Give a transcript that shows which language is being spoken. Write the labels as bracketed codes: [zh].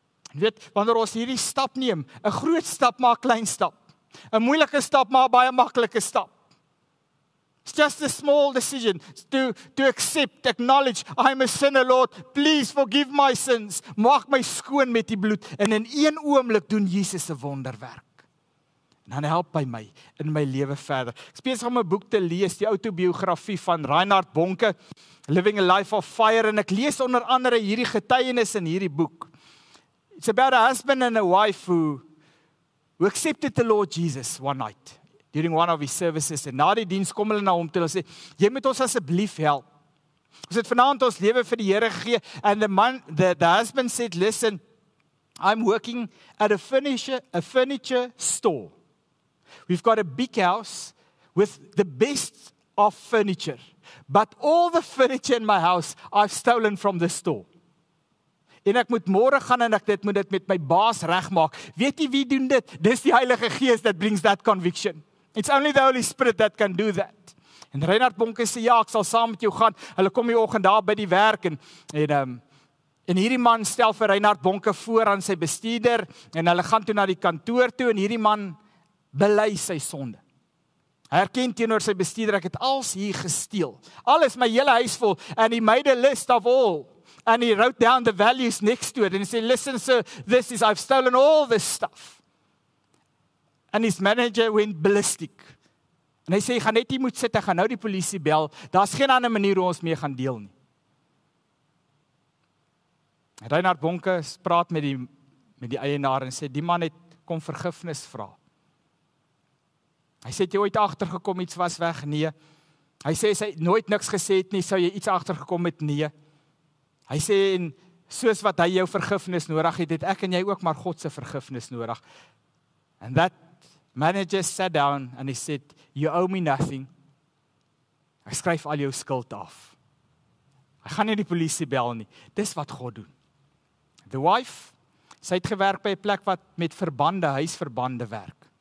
[af] En weet, wanneer ons hierdie stap neem, 'n groot stap maar 'n klein stap, 'n moeilike stap maar 'n baie maklike stap. [en] It's just a small decision to accept, acknowledge, I'm a sinner, Lord. Please forgive my sins. [af] Maak my skoon met die bloed. En in een oomblik doen Jesus 'n wonderwerk. En dan help hy my in my lewe verder. Ek is besig om 'n boek te lees, die autobiografie van Reinhard Bonke, Living a Life of Fire, en ek lees onder andere hierdie getuienis in hierdie boek. [en] It's about a husband and a wife who accepted the Lord Jesus one night. During one of his services, [af] en na die diens kom hulle na hom toe en sê, jy moet ons asseblief help. Ons het vanavond ons lewe vir die Here gegee, [en] and the husband said, listen, I'm working at a furniture store. We've got a big house with the best of furniture, but all the furniture in my house, I've stolen from the store. [af] En ek moet môre gaan en ek dit moet dit met my baas regmaak. Weet jy wie doen dit? Dis die Heilige Gees [en] that brings that conviction. It's only the Holy Spirit that can do that. [af] En Reinhard Bonke sê, ja, ek sal saam met jou gaan. Hulle kom die oggend daar by die werk. En hierdie man stel vir Reinhard Bonke voor aan sy bestuurder. En hulle gaan toe na die kantoor toe. En hierdie man bely sy sonde. Hy herken teenoor sy bestuurder, ek het alles hier gesteel. Alles, my hele huis vol. [en] And he made a list of all. And he wrote down the values next to it. And he said, listen sir, this is, I've stolen all this stuff. And his manager went ballistic. [af] En hy sê, gaan net hier moet sit, gaan nou die polisie bel, daar is geen ander manier hoe ons mee gaan deel nie. Reinhard Bonke praat met die eienaar en sê, die man het kom vergifnis vra. Hy sê, het jy ooit achtergekom, iets was weg? Nee. Hy sê, as hy nooit niks gesê het nie, sou jy iets achtergekom het? Nee. Hy sê, en soos wat hy jou vergifnis nodig het, het ek en jy ook maar God se vergifnis nodig. [en] And that manager sat down and he said, you owe me nothing. [af] Ek skryf al jou skuld af. Ek gaan nie die polisie bel nie. Dis wat God doen. [en] The wife, [af] sy het gewerk by 'n plek wat met verbande, huisverbande werk.